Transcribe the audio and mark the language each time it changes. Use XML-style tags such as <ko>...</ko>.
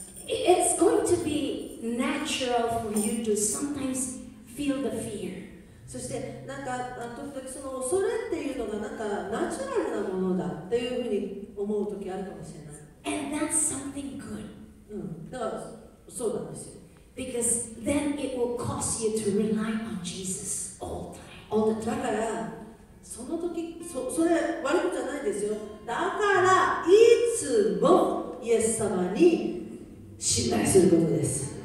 <en>It's going to be natural for you to sometimes feel the fear.</en> <ja>そしてなんか時々その恐れっていうのがなんかナチュラルなものだっていうふうに思う時あるかもしれない。</ja> <en>And that's something good.</en> <ja>うん、だからそうなんですよ。</ja> <en>Because then it will cause you to rely on Jesus all the time. All the time.</en> <ja>だからその時それ悪くじゃないですよ。だからいつもイエス様に信頼することです。</ja>